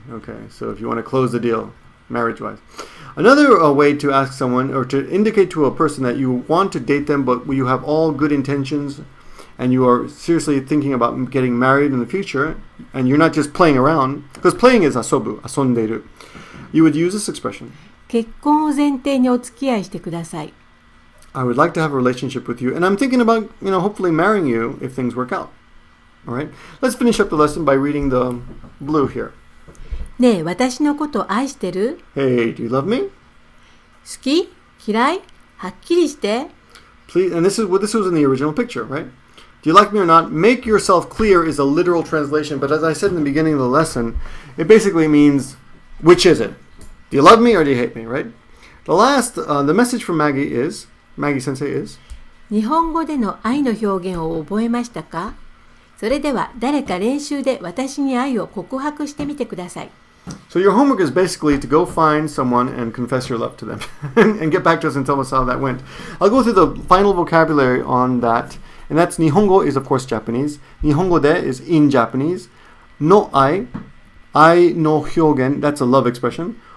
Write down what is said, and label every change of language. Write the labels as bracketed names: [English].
[English] Okay, so if you want to close the deal marriage-wise. Another way to ask someone or to indicate to a person that you want to date them but you have all good intentions and you are seriously thinking about getting married in the future and you're not just playing around, because playing is 遊ぶ, 遊んでいる. You would use this expression. [Japanese] 結婚を前提にお付き合いしてください. [English] I would like to have a relationship with you and I'm thinking about, you know, hopefully marrying you if things work out. All right? Let's finish up the lesson by reading the blue here. [Japanese] ねえ、私のことを愛してる? [English] Hey, do you love me? [Japanese] 好き?嫌い?はっきりして。 [English] Please, and this was in the original picture, right? Do you like me or not? Make yourself clear is a literal translation, but as I said in the beginning of the lesson, it basically means, which is it? Do you love me or do you hate me, right? The last, the message from Maggie is, Maggie-sensei is, [Japanese] 日本語での愛の表現を覚えましたか?それでは誰か練習で私に愛を告白してみてください。 [English] So your homework is basically to go find someone and confess your love to them and get back to us and tell us how that went. I'll go through the final vocabulary on that. And that's Nihongo is of course Japanese. Nihongo de is in Japanese. No ai, ai no hyogen, that's a love expression.